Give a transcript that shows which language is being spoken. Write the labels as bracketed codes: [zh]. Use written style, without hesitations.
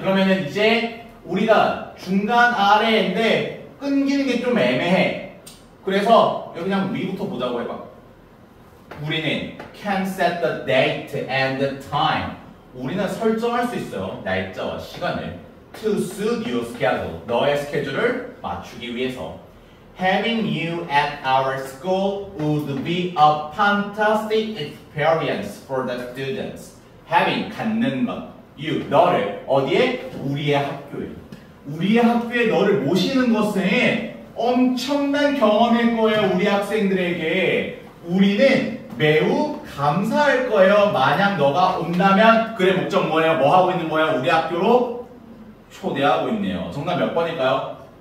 [ko] 그러면은 이제 우리가 중간 아래인데 끊기는 게 좀 애매해. 그래서 여기 그냥 위부터 보자고 해봐. 우리는 [en] can set the date and the time. [ko] 우리는 설정할 수 있어요. 날짜와 시간을. [en] To suit your schedule. [ko] 너의 스케줄을 맞추기 위해서. [en] Having you at our school would be a fantastic experience for the students. [ko] Having, 갖는 것. You, 너를. 어디에? 우리의 학교에. 우리의 학교에 너를 모시는 것은 엄청난 경험일 거예요. 우리 학생들에게. 우리는 매우 감사할 거예요. 만약 너가 온다면 그래 목적 뭐예요? 뭐 하고 있는 거야? 우리 학교로 초대하고 있네요. 정답 몇 번일까요?